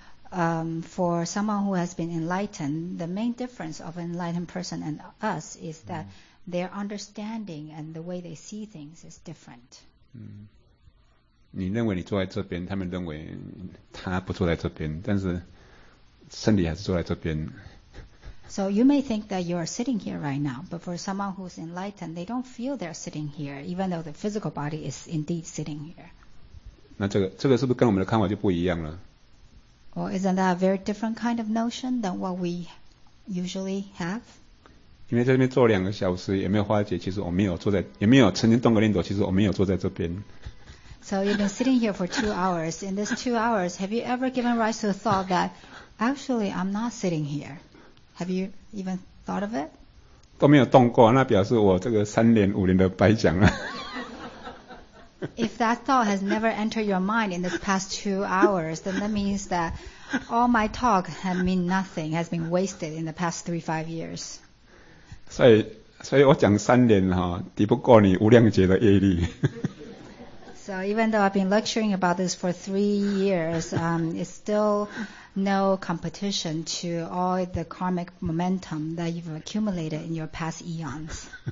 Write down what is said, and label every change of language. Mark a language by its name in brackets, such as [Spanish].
[English] For someone who has been enlightened, the main difference of an enlightened person and us is that their understanding and the way they see things is different. [Chinese] 你认为你坐在这边，他们认为他不坐在这边，但是身体还是坐在这边。 [English] So you may think that you are sitting here right now, but for someone who's enlightened, they don't feel they're sitting here, even though the physical body is indeed sitting here. [Chinese] 那这个是不是跟我们的看法就不一样了？ [English] Well, isn't that a very different kind of notion than what we usually have? [Chinese] 因为在这边坐两个小时也没有化解，其实我没有坐在，也没有曾经动个念头，其实我没有坐在这边。 [English] So you've been sitting here for 2 hours. In these 2 hours, have you ever given rise to the thought that actually I'm not sitting here? Have you even thought of it? [Chinese] 都没有动过, 那表示我这个三年五年都白讲了。 [English] If that thought has never entered your mind in the past 2 hours, then that means that all my talk has meant nothing, has been wasted in the past 3-5 years. [Chinese] 所以我讲三年哈, 抵不过你无量劫的业力。 [English] So even though I've been lecturing about this for 3 years, it's still no competition to all the karmic momentum that you've accumulated in your past eons.